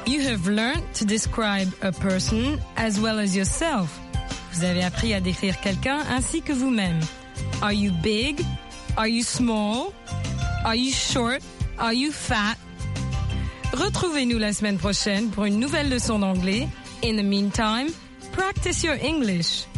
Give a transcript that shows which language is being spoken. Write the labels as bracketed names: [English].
[English] Have learned to describe a person as well as yourself. [French] Vous avez appris à décrire quelqu'un ainsi que vous-même. [English] Are you big? Are you small? Are you short? Are you fat? [French] Retrouvez-nous la semaine prochaine pour une nouvelle leçon d'anglais. [English] In the meantime, practice your English.